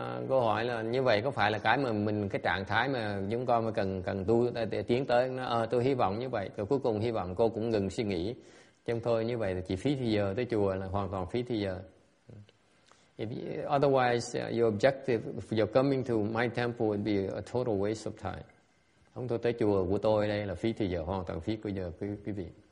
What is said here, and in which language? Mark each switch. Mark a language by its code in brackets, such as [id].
[vi] Câu hỏi là như vậy có phải là cái mà mình cái trạng thái mà chúng con mà cần tu để tiến tới nó tôi hy vọng như vậy. Rồi cuối cùng hy vọng cô cũng ngừng suy nghĩ. Chúng tôi như vậy thì chỉ phí thời giờ tới chùa là hoàn toàn phí thời giờ. [en] Otherwise your objective, if you're coming to my temple would be a total waste of time. [vi] Không, tôi tới chùa của tôi đây là phí thời giờ, hoàn toàn phí của giờ quý vị.